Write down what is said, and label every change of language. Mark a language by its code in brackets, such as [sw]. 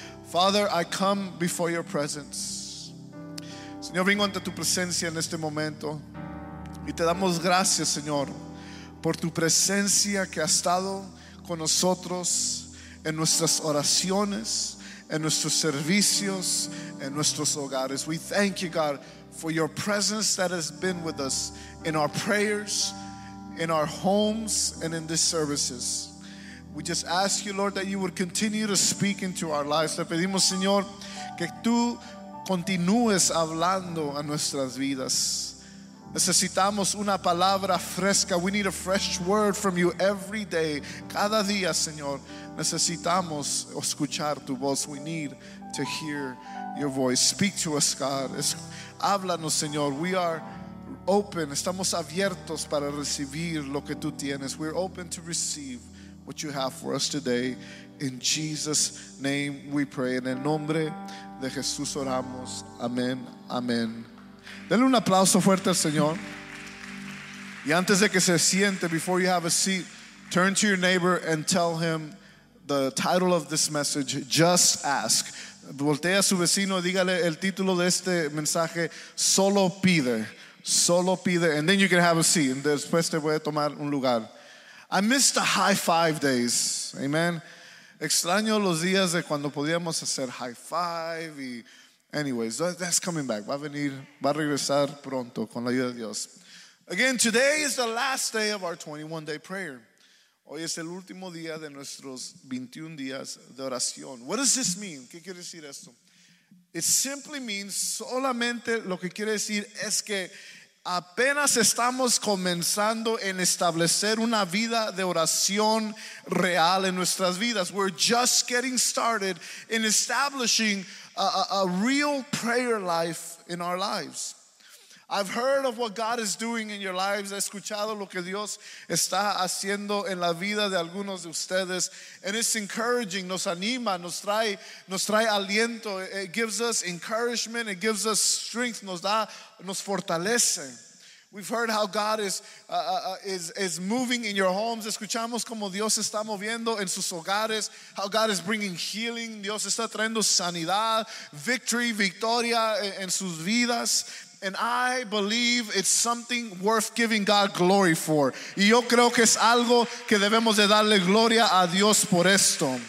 [en] Father, I come before your presence. [es] Señor, vengo ante tu presencia en este momento y te damos gracias, Señor, por tu presencia que ha estado con nosotros en nuestras oraciones, en nuestros servicios, en nuestros hogares. [en] We thank you, God, for your presence that has been with us in our prayers, in our homes, and in these services. We just ask you, Lord, that you would continue to speak into our lives. [es] Te pedimos, Señor, que tú continúes hablando a nuestras vidas. Necesitamos una palabra fresca. [en] We need a fresh word from you every day. [es] Cada día, Señor, necesitamos escuchar tu voz. [en] We need to hear your voice. Speak to us, God. [es] Háblanos, Señor. [en] We are open. [es] Estamos abiertos para recibir lo que tú tienes. [en] We're open to receive what you have for us today. In Jesus' name we pray. [es] En el nombre de Jesús oramos. Amén, amén. Denle un aplauso fuerte al Señor. Y antes de que se siente, [en] before you have a seat, turn to your neighbor and tell him the title of this message, Just Ask. [es] Voltea a su vecino y dígale el título de este mensaje, Solo Pide. Solo Pide. [en] And then you can have a seat. And [es] después te voy a tomar un lugar. [en] I miss the high five days. Amen. [es] Extraño los días de cuando podíamos hacer high five. [en] Anyways, that's coming back. [es] Va a venir, va a regresar pronto con la ayuda de Dios. [en] Again, today is the last day of our 21-day prayer. [es] Hoy es el último día de nuestros 21 días de oración. [en] What does this mean? [es] ¿Qué quiere decir esto? [en] It simply means [es] solamente lo que quiere decir es que apenas estamos comenzando en establecer una vida de oración real en nuestras vidas. [en] We're just getting started in establishing a real prayer life in our lives. I've heard of what God is doing in your lives. [es] He escuchado lo que Dios está haciendo en la vida de algunos de ustedes. [en] And it's encouraging, [es] nos anima, nos trae aliento. [en] It gives us encouragement, it gives us strength, [es] nos fortalece. [en] We've heard how God is moving in your homes. [es] Escuchamos como Dios está moviendo en sus hogares. [en] How God is bringing healing. [es] Dios está trayendo sanidad, victory, victoria en sus vidas. [en] And I believe it's something worth giving God glory for. [es] Y yo creo que es algo que debemos de darle gloria a Dios por esto.